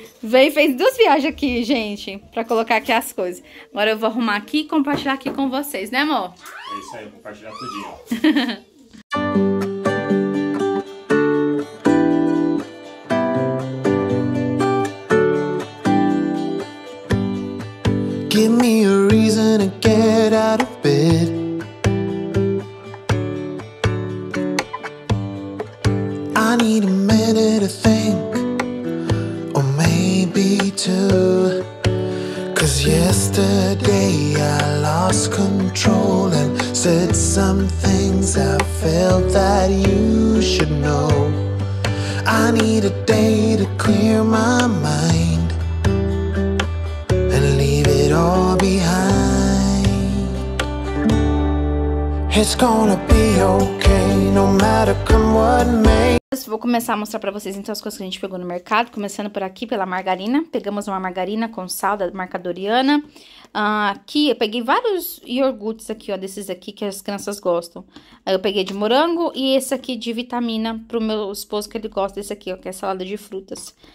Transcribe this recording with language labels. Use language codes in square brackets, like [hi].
[pt] Veio e fez duas viagens aqui, gente, pra colocar aqui as coisas. Agora eu vou arrumar aqui e compartilhar aqui com vocês, né, amor? É isso aí, compartilhar tudinho. [en] Give me a reason to get out of bed. I need a minute to think, or maybe two. 'Cause yesterday I lost control and said some things I felt that you should know. I need a day to clear my mind and leave it all behind. It's gonna be okay, no matter come what may. [pt] Vou começar a mostrar pra vocês então as coisas que a gente pegou no mercado, começando por aqui pela margarina. Pegamos uma margarina com sal da marca Doriana. Aqui eu peguei vários iogurtes aqui, ó, desses aqui que as crianças gostam. Aí eu peguei de morango e esse aqui de vitamina pro meu esposo, que ele gosta desse aqui, ó, que é salada de frutas.